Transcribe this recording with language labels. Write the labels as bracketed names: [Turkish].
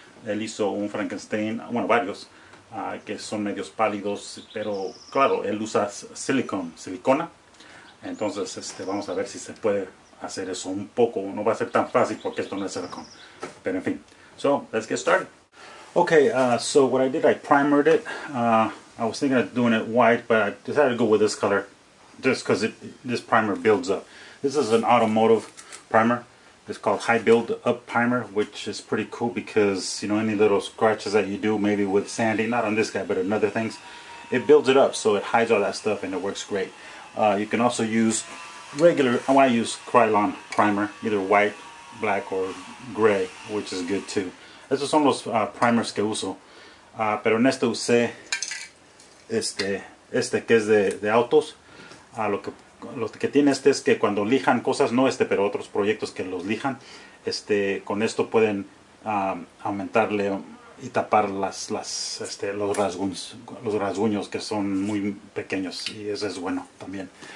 [Spanish] Él hizo un Frankenstein, bueno, varios, que son medios pálidos, pero claro, él usa silicona. Entonces, vamos a ver si se puede hacer eso un poco. No va a ser tan fácil porque esto no es silicone. Pero en fin. [English] So, let's get started. Okay, so what I did, I primered it. I was thinking of doing it white, but I decided to go with this color just because this primer builds up. This is an automotive primer. It's called High Build Up Primer, which is pretty cool because, you know, any little scratches that you do, maybe with sanding, not on this guy, but in other things, it builds it up, so it hides all that stuff and it works great. You can also use regular, I use Krylon primer, either white, black, or gray, which is good too. [Spanish] Esos son los primers que uso. Pero en este usé este que es de autos. Lo que tiene este es que cuando lijan cosas, no este, pero otros proyectos que los lijan, con esto pueden aumentarle y tapar los rasguños que son muy pequeños, y eso es bueno también.